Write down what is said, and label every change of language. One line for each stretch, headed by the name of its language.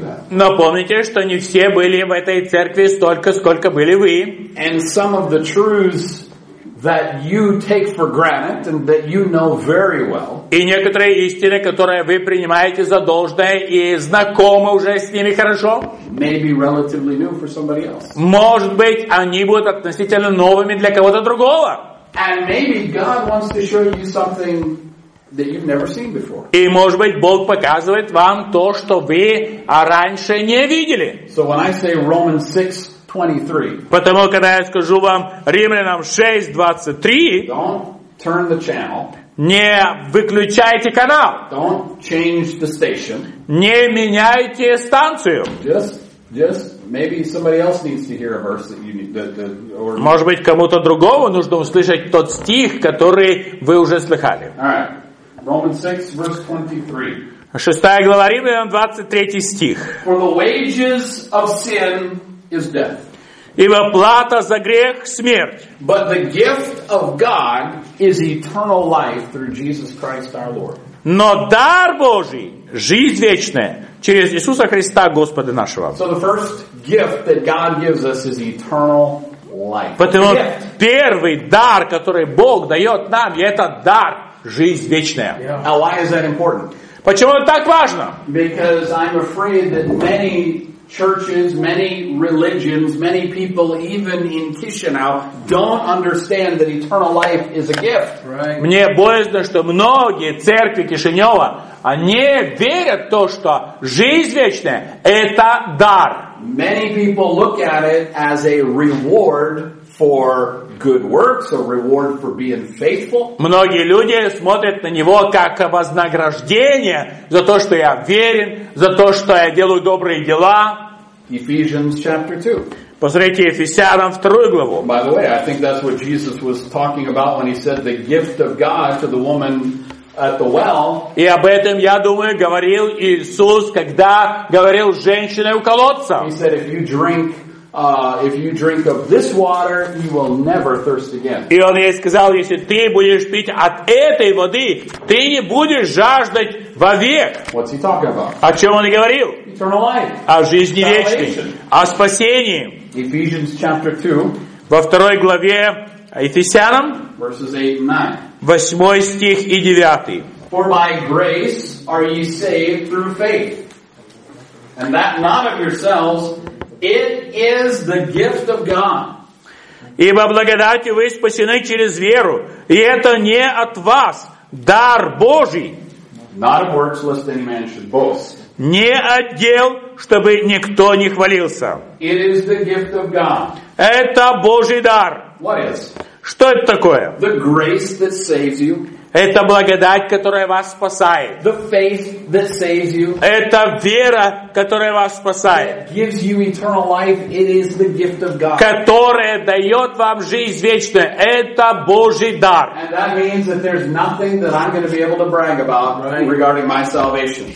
Russian: Но помните, что не все были в этой церкви столько, сколько были вы.
English: And some of the truths that you take for granted and that you know very well.
Russian: И некоторые истины, которые вы принимаете за должное и знакомы уже с ними хорошо.
English: Maybe relatively new for somebody else.
Russian: Может быть, они будут относительно новыми для кого-то другого.
English: And maybe God wants to show you something that you've never seen before.
Russian: И может быть, Бог показывает вам то, что вы раньше не видели.
English: So when I say Romans 6:23.
Russian: Потому когда я скажу вам Римлянам 6:23,
English: don't turn the channel.
Russian: Не выключайте канал.
English: Don't change the station.
Russian: Не меняйте станцию.
English: Just maybe somebody else needs to hear a verse that you need or.
Russian: Может быть, кому-то другому нужно услышать тот стих, который вы уже слыхали.
English: All right. Romans 6:23.
Russian: 6 глава Римлянам 23 стих.
English: For the wages of sin is death.
Russian: Ибо плата за грех – смерть.
English: But the gift of God is eternal life through Jesus Christ our Lord.
Russian: Но дар Божий – жизнь вечная через Иисуса Христа Господа нашего.
English: So the first gift that God gives us is eternal life.
Russian: Потому первый дар, который Бог дает нам, это дар – жизнь вечная.
English: Now why is that important?
Russian: Почему это так важно?
English: Because I'm afraid that many churches, many religions, many people, even in Kishinev, don't understand that eternal life is a gift. Right?
Russian: Мне боязно, что многие церкви Кишинева они верят в то, что жизнь вечная – это дар.
English: Many people look at it as a reward for good works, a reward for being faithful.
Russian: Многие люди смотрят на него как вознаграждение за то, что я верен, за то, что я делаю добрые дела.
English: Ephesians chapter 2.
Russian: Посмотрите Ефесянам 2 главу.
English: By the way, I think that's what Jesus was talking about when he said the gift of God to the woman at the well.
Russian: И об этом, я думаю, говорил Иисус, когда говорил женщине у колодца.
English: He said, if you drink of this water, you will never thirst again.
Russian: И он ей сказал, если ты будешь пить от этой воды, ты не будешь жаждать вовек.
English: What's he talking about?
Russian: О чем он говорил?
English: Eternal life.
Russian: О жизни вечной. О спасении.
English: Ephesians chapter 2.
Russian: Во второй главе Ефесянам.
English: Verses 8 and 9.
Russian: 8 стих и 9.
English: For by grace are ye saved through faith. And that not of yourselves, it is the gift of God.
Russian: Ибо благодатью вы спасены через веру, и это не от вас, дар Божий.
English: Not of works, lest any man should boast.
Russian: Не от дел, чтобы никто не хвалился.
English: It is the gift of God.
Russian: Это Божий дар.
English: What is?
Russian: Что это такое?
English: The grace that saves you.
Russian: Это благодать, которая вас спасает.
English: The faith that saves you.
Russian: Это вера, которая вас спасает.
English: Gives you eternal life. It is the gift of God.
Russian: Которая дает вам жизнь вечную. Это Божий дар.
English: And that means that there's nothing that I'm going to be able to brag about regarding my salvation.